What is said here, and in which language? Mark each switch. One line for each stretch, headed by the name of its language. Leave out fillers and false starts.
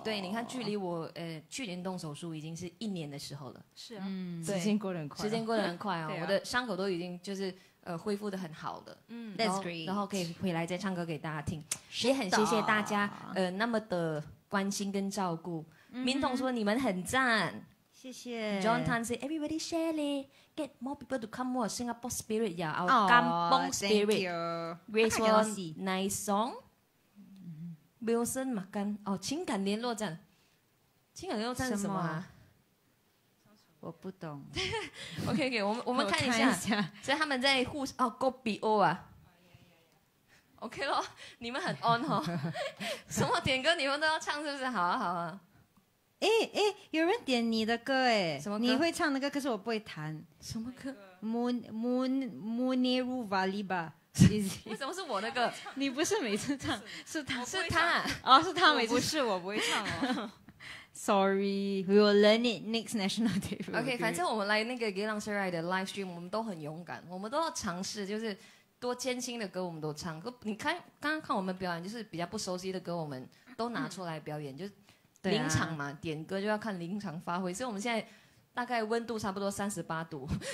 Chinese: 对，你看距离我去年动手术已经是一年的时候了。是啊，对，时间过得很快，时间过得很快哦。啊、我的伤口都已经就是恢复得很好了。
English: That's great，
Chinese: 然后可以回来再唱歌给大家听，也很谢谢大家那么的关心跟照顾。明彤说你们很赞，谢谢。
English: John Tan say everybody share it, get more people to come more Singapore spirit, yeah, our Kampong spirit. Grace was nice song.
Chinese: Wilson Makan 哦，情感联络站，情感联络站是什么啊？我不懂。 OK， 给、okay, 我们看一下，所以他们在互哦 ，Go Be O 啊。 OK 咯，你们很 on 哦，什么点歌你们都要唱是不是？好啊好啊。哎，有人点你的歌哎，什么歌？你会唱的歌，可是我不会弹。什么歌？Muniru Valiba。为什么是我的歌？你不是每次唱，是他，是他，哦，是他每次，不是我不会唱哦。
English: Sorry, we will learn it next National Day.
Chinese: OK， 反正我们来那个 Geylang Serai 的 live stream， 我们都很勇敢，我们都要尝试，就是多艰辛的歌我们都唱。你看刚刚看我们表演，就是比较不熟悉的歌，我们都拿出来表演，就是临场嘛，点歌就要看临场发挥，所以我们现在。大概温度差不多38度，